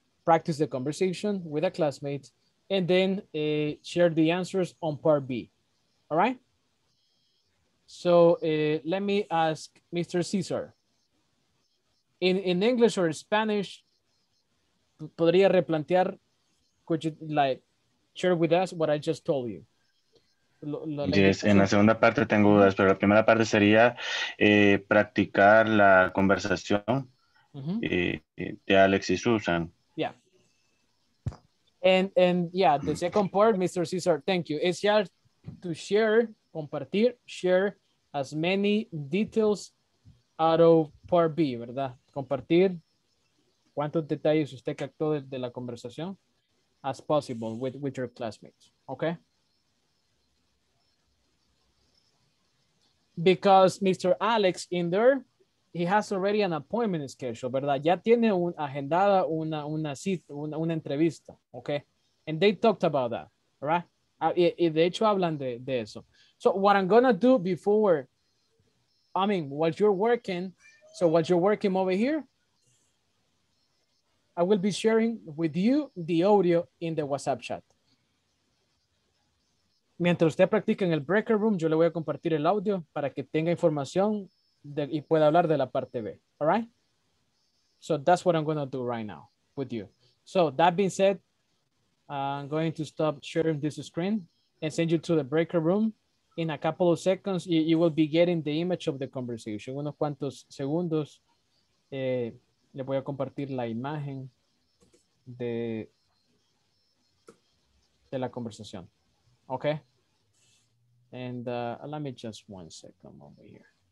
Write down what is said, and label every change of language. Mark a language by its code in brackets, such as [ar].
[en] Practice the conversation with a classmate, and then share the answers on part B. All right? So let me ask Mr. Cesar. In English or Spanish, [es] podría replantear, [en] could you like share with us what I just told you? [es] Yes, en la segunda parte tengo dudas, pero la primera parte sería practicar la conversación de Alex y Susan. [en] Yeah. And yeah, the second part, Mr. Cesar, thank you. It's just to share, compartir, share as many details out of part B, ¿verdad? [es] Compartir cuántos detalles usted captó de la conversación [en] as possible with your classmates, [es] okay? [en] Because Mr. Alex in there, he has already an appointment schedule, ¿verdad? [es] Ya tiene agendada una entrevista, okay? [en] And they talked about that, right? [es] Y de hecho hablan de eso. [en] So what I'm gonna do before, I mean, while you're working over here, I will be sharing with you the audio in the WhatsApp chat. [es] Mientras usted practica en el breaker room, yo le voy a compartir el audio para que tenga información y pueda hablar de la parte B. [en] All right? So that's what I'm going to do right now with you. So that being said, I'm going to stop sharing this screen and send you to the breaker room. In a couple of seconds, you will be getting the image of the conversation. [es] Unos cuantos segundos, le voy a compartir la imagen de la conversación. [en] Okay, and let me just one second over here.